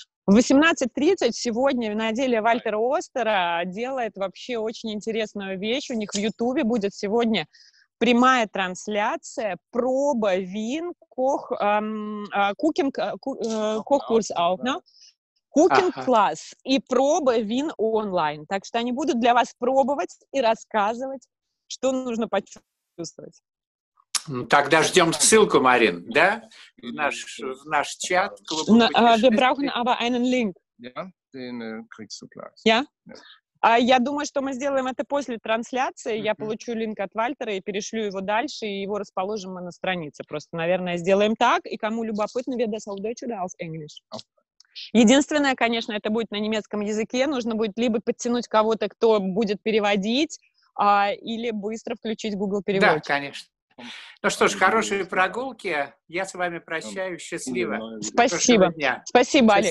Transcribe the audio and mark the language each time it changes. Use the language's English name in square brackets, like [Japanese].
[Russian] В 18.30 сегодня виноделие Вальтера Остера делает вообще очень интересную вещь. У них в Ютубе будет сегодня прямая трансляция, проба вин, кухинг-курс, кухинг-класс и проба вин онлайн. Так что они будут для вас пробовать и рассказывать, что нужно почувствовать. Тогда ждем ссылку, Марин, да? В наш чат. [German] Wir brauchen aber einen Link. Ja, den kriegst du gleich. Ja? [Russian] Я думаю, что мы сделаем это после трансляции. Я получу линк от Вальтера и перешлю его дальше, и его расположим мы на странице. Просто, наверное, сделаем так. И кому любопытно, [German] wir das auf Deutsch oder auf Englisch. [Russian] Единственное, конечно, это будет на немецком языке. Нужно будет либо подтянуть кого-то, кто будет переводить, или быстро включить Google переводчик. Да, конечно. Ну что ж, хорошие прогулки. Я с вами прощаюсь. Счастливо. Спасибо. Спасибо, Олег.